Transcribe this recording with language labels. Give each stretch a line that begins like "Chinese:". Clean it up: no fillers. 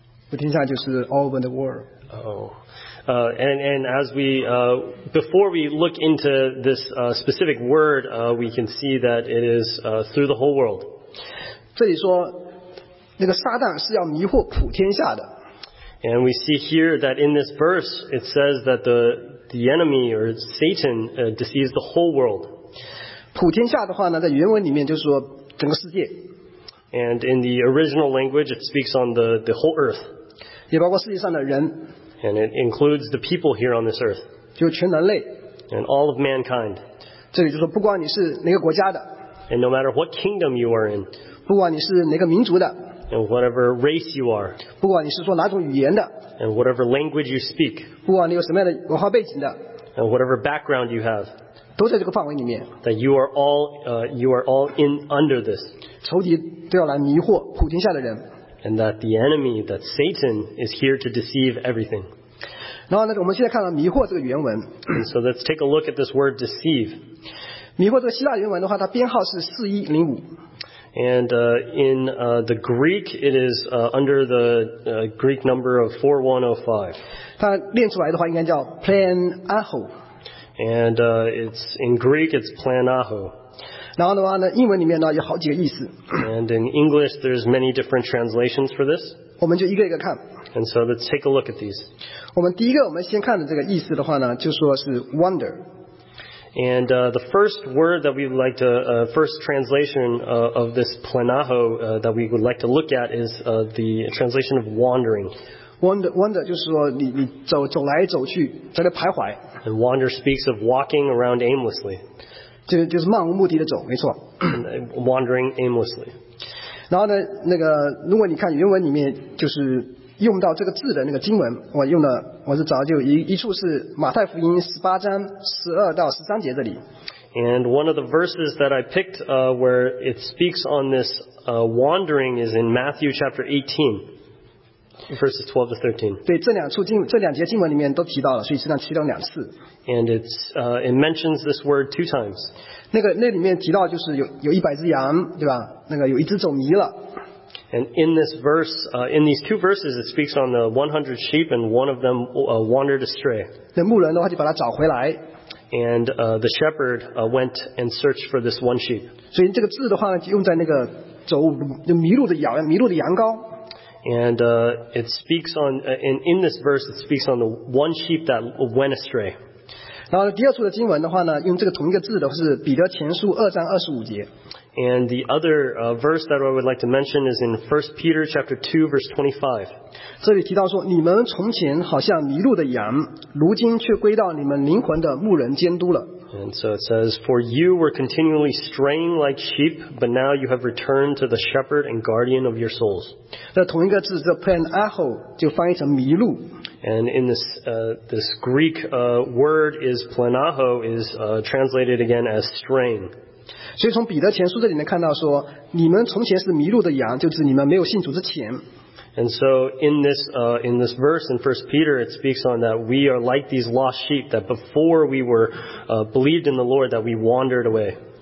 Chinese: 普天下就是
English: all over the world. And as we before we look into this specific word, we can see that it is through the whole world.
Chinese: 这里说那个撒旦是要迷惑普天下的。
English: And we see here that in this verse, it says that the enemy or Satan deceives the whole world.
Chinese: 普天下的话呢，在原文里面就是说整个世界。
English: And in the original language, it speaks on the whole earth.
Chinese: 也包括世界上的人
English: and it includes the people here on this earth
Chinese: 就全人类
English: and all of mankind
Chinese: 这里就说不管你是哪个国家的
English: and no matter what kingdom you are in
Chinese: 不管你是哪个民族的
English: and whatever race you are
Chinese: 不管你是说哪种语言的
English: and whatever language you speak
Chinese: 不管你有什么样的文化背景的
English: and whatever background you have
Chinese: 都在这个范围里面
English: that you are all in under this
Chinese: 仇敌都要来迷惑普天下的人
English: And that the enemy, that Satan, is here to deceive everything.
Chinese: 然后呢，我们现在看到迷惑这个原文。
English: So let's take a look at this word deceive.
Chinese: 迷惑这个希腊原文的话，它编号是4105。
English: And the Greek, it is under the Greek number of 4105.
Chinese: 它练出来的话，应该叫 planaho.
English: And it's in Greek, it's planaho.
Chinese: 然后的话呢，英文里面呢有好几个意思。
English: And in English, there's many different translations for this.
Chinese: 我们就一个一个看。
English: And so let's take a look at these.
Chinese: 我们第一个我们先看的这个意思的话呢，就说是
English: wonder. And the first word that we'd like to, first translation of this planaho that we would like to look at is the translation of wandering. Wonder
Chinese: 就是说你走来走去，在那徘徊。
English: And wander speaks of walking around aimlessly.
Chinese: 就是漫无目的的走，没错。
English: Wandering aimlessly.
Chinese: 然后呢，那个如果你看原文里面，就是用到这个字的那个经文，我用的我是找就一处是马太福音十八章十二到十三节这里。
English: And one of the verses that I picked, where it speaks on this, wandering is in Matthew chapter 18, verses 12 to 13.
Chinese: 对，这两节经文里面都提到了，所以实际上提到两次。
English: And it mentions this word two times.
Chinese: 那里面提到就是有一百只羊，对吧？那个有一只走迷了。
English: And in this verse, in these two verses, it speaks on the 100 sheep and one of them wandered astray.
Chinese: 那牧人的话就把它找回来。
English: And the shepherd went and searched for this one sheep.
Chinese: 所以这个字的话呢，就用在那个走迷路的羊，迷路的羊羔。
English: And it speaks on, and in this verse, it speaks on the one sheep that went astray.
Chinese: 然后第二处的经文的话呢，用这个同一个字的是彼得前书二章二十五节。
English: And the other verse that I would like to mention is in 1 Peter chapter 2 verse 25.
Chinese: 这里提到说，你们从前好像迷路的羊，如今却归到你们灵魂的牧人监督了。
English: And so it says, for you were continually straying like sheep, but now you have returned to the shepherd and guardian of your souls.
Chinese: 那同一个字，这 planaho 就翻译成迷路。
English: And in this, this Greek word is planaho is translated again as straying.
Chinese: 所以从彼得前书这里能看到说，你们从前是迷路的羊，就指你们没有信主之前。
English: And so in this verse in 1 Peter, it speaks on that we are like these lost sheep that before we were believed in the Lord, that we wandered away.